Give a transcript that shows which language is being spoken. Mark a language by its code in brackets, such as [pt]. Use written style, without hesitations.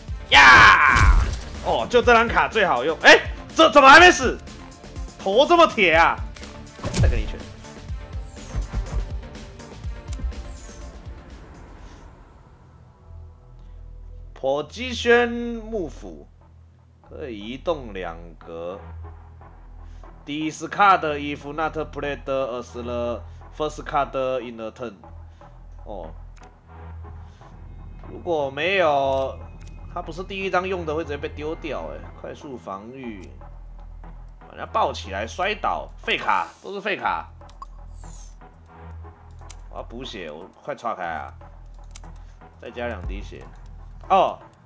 [zh] 呀、yeah! ，哦，就这张卡最好用。哎，这怎么还没死？头这么铁啊！再给你一拳。火鸡轩幕府可以移动两格。 [en] Discard if not played as the first card in the turn。 [zh] 哦，如果没有，他不是第一张用的，会直接被丢掉。哎，快速防御，把人家抱起来摔倒，废卡都是废卡。我要补血，我快岔开啊！再加两滴血，哦。